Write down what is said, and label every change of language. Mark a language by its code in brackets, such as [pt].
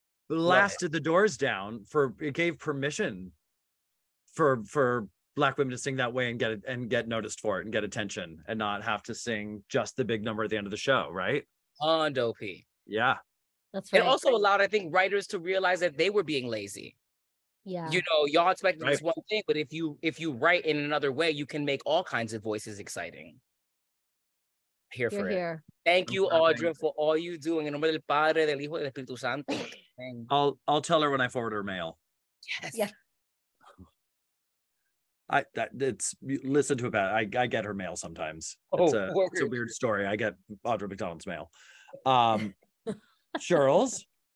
[en] Blasted the doors down for, it gave permission for Black women to sing that way and get noticed for it and get attention and not have to sing just the big number at the end of the show, right? beyond OP. Yeah. That's right. It also allowed, I think, writers to realize that they were being lazy. Yeah. You know, y'all expected this one thing, but if you write in another way, you can make all kinds of voices exciting. Here. Thank you, Audra, for all you doing. [es] En nombre del Padre, del Hijo, del Espíritu Santo. [en] I'll tell her when I forward her mail. Yes. Yeah. Listen to it. I get her mail sometimes. It's a weird story. I get Audra McDonald's mail. Charles.